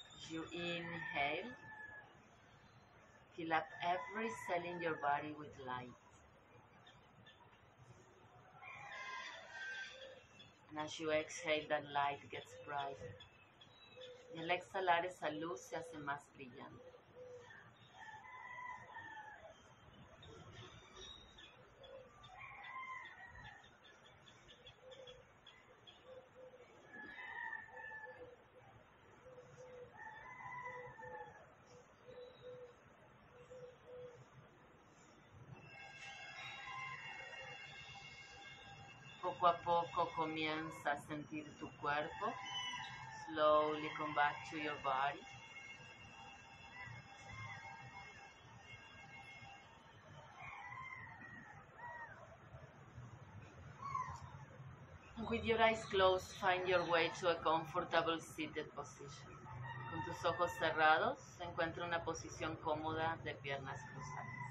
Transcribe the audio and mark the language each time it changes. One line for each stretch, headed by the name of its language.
English: You inhale, fill up every cell in your body with light. And as you exhale, that light gets brighter.
Spanish: Y al exhalar, esa luz se hace más brillante. Poco a poco comienza a sentir tu cuerpo.
English: Slowly come back to your body. With your eyes closed, find your way to a comfortable seated position.
Spanish: Con tus ojos cerrados, encuentra una posición cómoda de piernas cruzadas.